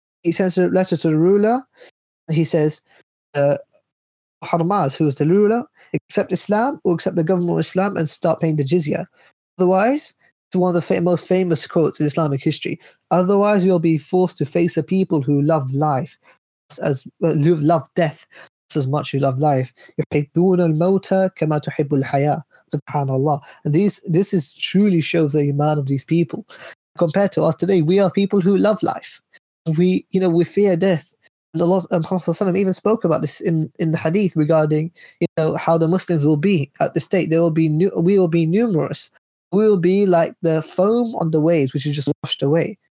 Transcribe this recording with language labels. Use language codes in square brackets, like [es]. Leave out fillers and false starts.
[en] He sends a letter to the ruler. He says, Harmaz, who is the ruler, accept Islam or accept the government of Islam and start paying the jizya. Otherwise, it's one of the most famous quotes in Islamic history. Otherwise, you'll be forced to face a people who love life, as well, you love death as much as you love life. [ar] يحبون الموت كما تحب الحياة. Subhanallah. [en] And this is truly shows the iman of these people. Compared to us today, we are people who love life. We fear death. And Muhammad even spoke about this in the hadith regarding, you know, how the Muslims will be at the state. We will be numerous. We will be like the foam on the waves, which is just washed away.